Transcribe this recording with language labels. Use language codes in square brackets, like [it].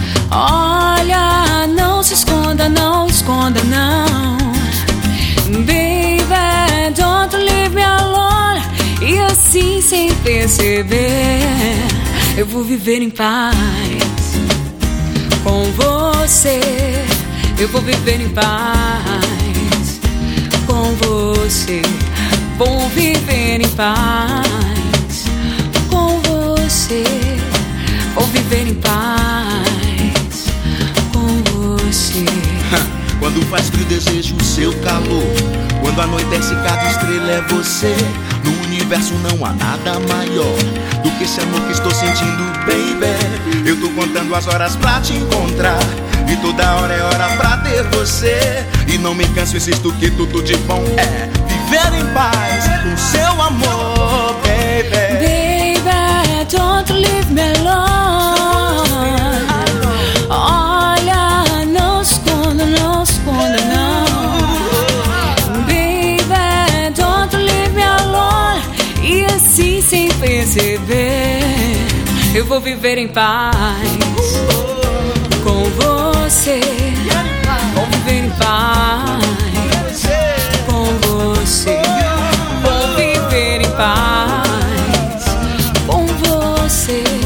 [pt] Olha, não se esconda, não esconda, não. [en] Baby, don't leave me alone. [pt] E assim sem perceber, eu vou viver em paz com você. Eu vou viver em paz com você, vou viver em paz. Com você, vou viver em paz. Com você. Quando faz frio, desejo o seu calor. Quando anoitece, cada estrela é você. No universo não há nada maior do que esse amor que estou sentindo, baby. Eu tô contando as horas pra te encontrar. E toda hora é hora pra ter você. E não me canso, insisto que tudo de bom é viver em paz com seu amor, baby. [en] Baby, don't leave me alone. [pt] Olha, não esconda, não esconda, não. [en] Baby, don't leave me alone. [pt] E assim sem perceber, eu vou viver em paz com você. Vou viver em paz com você. Vou viver em paz com você.